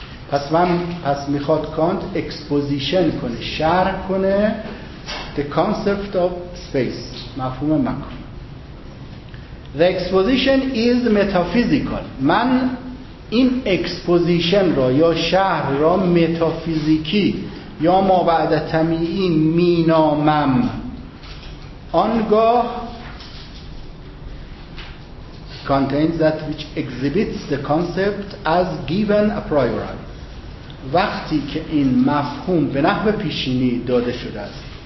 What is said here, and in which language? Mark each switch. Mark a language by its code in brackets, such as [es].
[fa] پس میخواد کانت اکسپوزیشن کنه، شرح کنه [en] the concept of space، [fa] مفهوم مکان. [en] The exposition is metaphysical. [fa] من این اکسپوزیشن را یا شهر را متافیزیکی یا مابعد طبیعی مینامم. [en] آنگاه contains that which exhibits the concept as given a priori. [fa] وقتی که این مفهوم به نحو پیشینی داده شده است.